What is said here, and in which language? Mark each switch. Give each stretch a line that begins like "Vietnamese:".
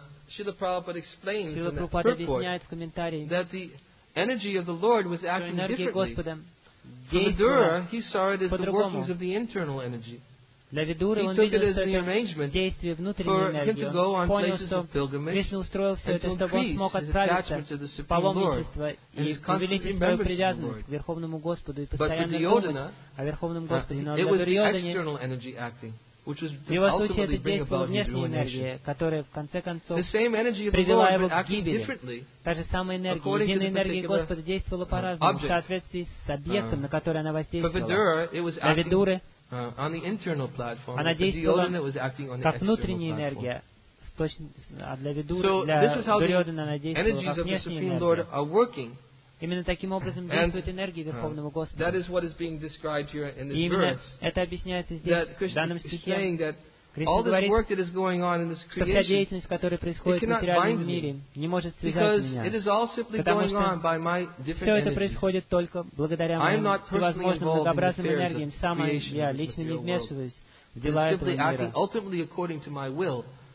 Russian: Шрила Прабхупада объясняет в комментарии,
English: that the energy of the Lord was acting differently. For Vidura, he saw it as the workings of the internal energy.
Russian: Для Видуры он видел, что это действие внутренней энергии. Он понял, что Кришна устроил все это, чтобы он смог отправиться в паломничество и увеличить свою привязанность к Верховному Господу и постоянно думать о Верховном Господе. Но для Дурьодхане в его случае это действовала внешняя энергия, которая в конце концов привела его к гибели. Та же самая энергия, единая энергия Господа действовала по-разному в соответствии с объектом, на который она воздействовала. Для Видуры
English: On the internal platform,
Russian: она действовала
English: Диодана was acting on the
Russian: как внутренняя энергия. Точно, а для Видуры, для Дурьодхана она действовала как внешняя энергия. Именно таким образом действует энергия Верховного Господа. Именно это объясняется здесь, в данном стихе.
English: All this work that is going on in this creation, it cannot bind me, because it is all simply going on by my different energies. I am not personally involved in the affairs of creation in this material world. It is simply acting ultimately according to my will.